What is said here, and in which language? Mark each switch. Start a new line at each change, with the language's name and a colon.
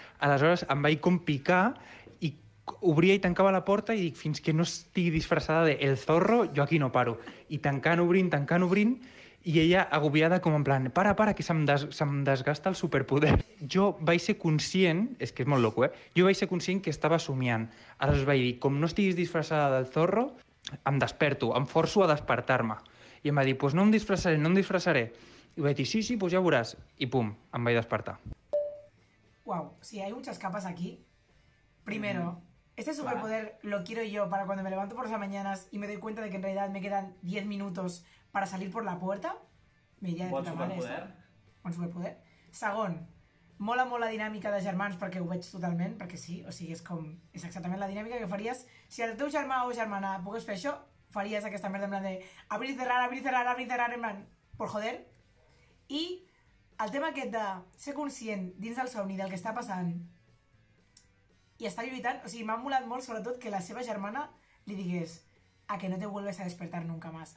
Catalan: Aleshores em vaig com picar i obria i tancava la porta i dic, fins que no estigui disfressada del Zorro, jo aquí no paro. I tancant, obrint, i ella agobiada com en plan, para, que se'm desgasta el superpoder. Jo vaig ser conscient, és que és molt loco, jo vaig ser conscient que estava somiant. Aleshores vaig dir, com no estiguis disfressada del Zorro, em desperto, em forço a despertar-me. I em va dir, doncs no em disfressaré. I vaig dir, sí, pues ja veuràs. I pum, em vaig despertar.
Spanish: Uau, sí, hay muchas capas aquí. Primero, este superpoder lo quiero yo para cuando me levanto por las mañanas y me doy cuenta de que en realidad me quedan 10 minutos para salir por la puerta. Me iría de puta madre esto. Buen superpoder.
Catalan: Segon, mola la dinàmica de germans perquè ho veig totalment, perquè sí, o sigui, és exactament la dinàmica que faries. Si el teu germà o germana pogués fer això, faries aquesta merda en plan
Spanish: de abrir i cerrar,
Catalan: en plan,
Spanish: por joder.
Catalan: I el tema aquest de ser conscient dins del somni del que està passant i estar lluitant, o sigui, m'ha molat molt sobretot que la seva germana li digués a
Spanish: que no te vuelves a despertar nunca más.